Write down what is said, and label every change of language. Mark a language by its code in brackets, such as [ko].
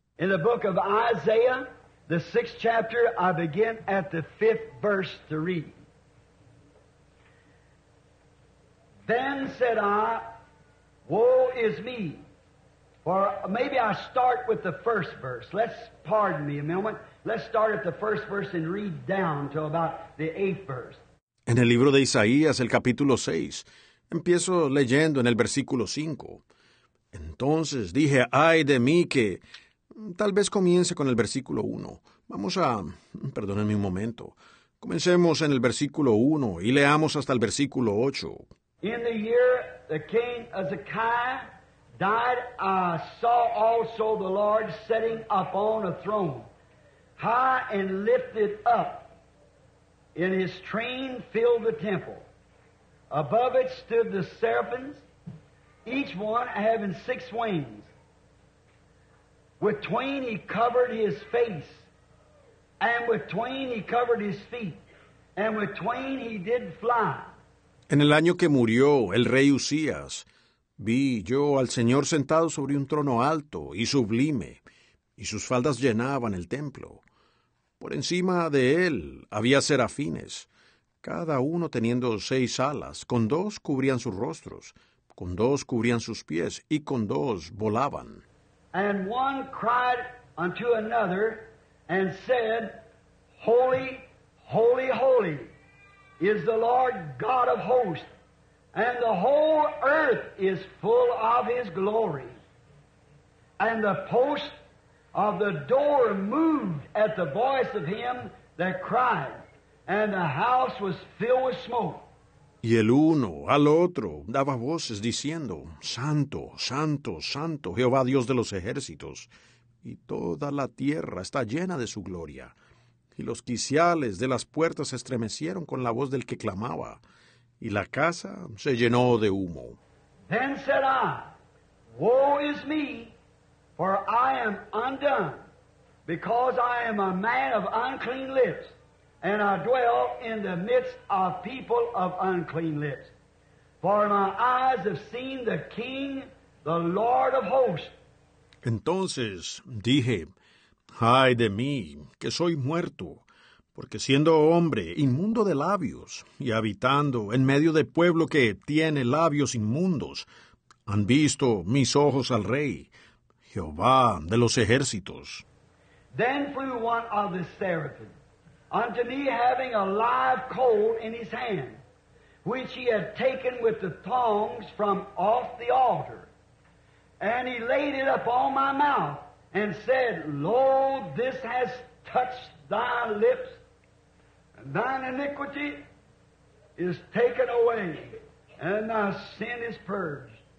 [en] In the book of Isaiah, the 6th chapter, I begin at the 5th verse to read. Then said I, woe is me. Or maybe I start with the 1st verse. Let's pardon me a moment. Let's start at the 1st verse and read down to about the 8th verse. [es] En el libro de Isaías, el capítulo 6, empiezo leyendo en el versículo 5. Entonces dije, ay de mí que... Tal vez comience con el versículo 1. Vamos a... Perdónenme un momento. Comencemos en el versículo 1 y leamos hasta el versículo 8. [en] In the year the king Ezekiah died, I saw also the Lord sitting upon a throne, high and lifted up, and his train filled the temple. Above it stood the seraphims, each one having 6 wings. With twain he covered his face, and with twain he covered his feet, and with twain he did fly. [es] En el año que murió el rey Usías, vi yo al Señor sentado sobre un trono alto y sublime, y sus faldas llenaban el templo. Por encima de él había serafines, cada uno teniendo seis alas, con dos cubrían sus rostros, con dos cubrían sus pies, y con dos volaban. [en] And one cried unto another and said, Holy, holy, holy is the Lord God of hosts, and the whole earth is full of his glory. And the post of the door moved at the voice of him that cried, and the house was filled with smoke. [es] Y el uno al otro daba voces, diciendo, Santo, santo, santo, Jehová Dios de los ejércitos. Y toda la tierra está llena de su gloria. Y los quiciales de las puertas se estremecieron con la voz del que clamaba. Y la casa se llenó de humo. [en] Then said I, Woe is me, for I am undone, because I am a man of unclean lips. And I dwell in the midst of people of unclean lips. For my eyes have seen the King, the Lord of hosts. [es] Entonces dije, ¡Ay de mí, que soy muerto! Porque siendo hombre inmundo de labios, y habitando en medio de pueblo que tiene labios inmundos, han visto mis ojos al Rey, Jehová de los ejércitos. [en] Then flew one of the seraphim unto me, having a live coal in his hand, which he had taken with the tongs from off the altar. And he laid it upon my mouth, and said, Lo, this has touched thy lips, and thine iniquity is taken away, and thy sin is purged.